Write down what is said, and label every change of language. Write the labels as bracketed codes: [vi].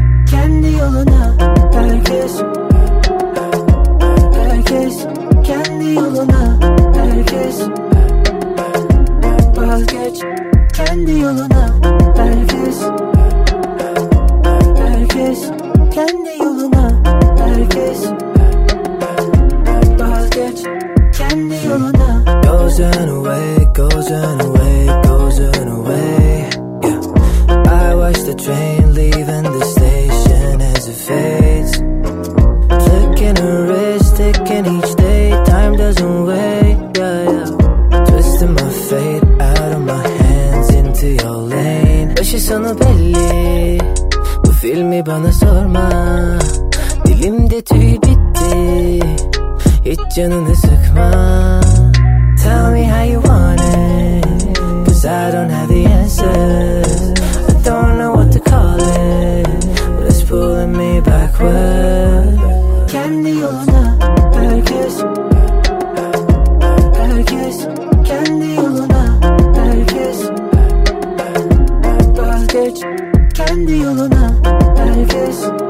[tr] Kendi yoluna herkes, herkes kendi yoluna herkes. Vazgeç kendi yoluna herkes, herkes kendi yoluna herkes. Vazgeç kendi yoluna. [en] Goes on away, goes on away, goes on away. Yeah. I watch the train leaving the station as it fades. Flicking her wrist, ticking each day. Time doesn't wait, yeah, yeah. Twisting my fate out of my hands into your lane. [tr] Başı sonu belli, bu filmi bana sorma. Dilimde tüy bitti, hiç canını sıkma. [en] Tell me how you want it, 'cause I don't have the answers. I don't know what to call it, but it's pulling me backwards. [tr] Kendi yoluna herkes, herkes kendi yoluna herkes. Vazgeç kendi yoluna herkes.